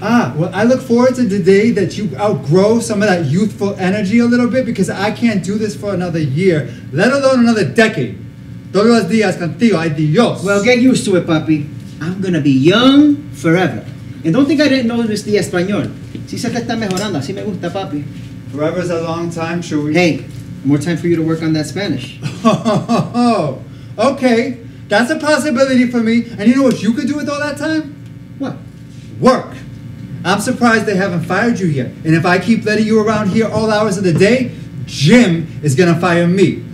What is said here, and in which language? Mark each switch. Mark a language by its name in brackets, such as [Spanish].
[English] Ah, well, I look forward to the day that you outgrow some of that youthful energy a little bit because I can't do this for another year, let alone another decade. [Spanish] Todos los días contigo, ay Dios. [English] Well, get used to it, papi. I'm gonna be young forever. And don't think I didn't know this the español. [Spanish] Si se te está mejorando, así me gusta, papi. [English] Forever's a long time, Chewy. Hey, more time for you to work on that Spanish. Oh, okay. That's a possibility for me. And you know what you could do with all that time? What? Work. I'm surprised they haven't fired you yet. And if I keep letting you around here all hours of the day, Jim is gonna fire me.